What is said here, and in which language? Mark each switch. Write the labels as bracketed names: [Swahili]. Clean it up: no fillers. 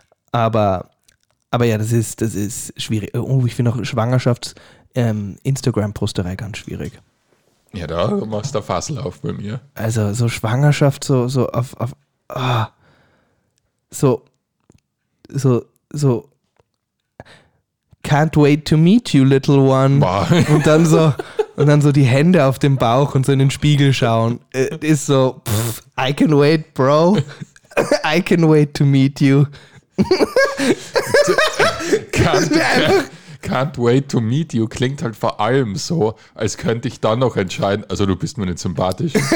[German] Aber ja, das ist schwierig. Oh, ich finde auch Schwangerschafts-Instagram-Posterei ganz schwierig. Ja, da machst du Fassel auf bei mir. Also so Schwangerschaft, so auf oh. [English] So can't wait to meet you, little one. [German] Boah. Und dann so die Hände auf dem Bauch und so in den Spiegel schauen. [English] Ist so, pff, I can wait, bro. I can wait to meet you. [German] Can't wait to meet you klingt halt vor allem so, als könnte ich dann noch entscheiden, also du bist mir nicht sympathisch.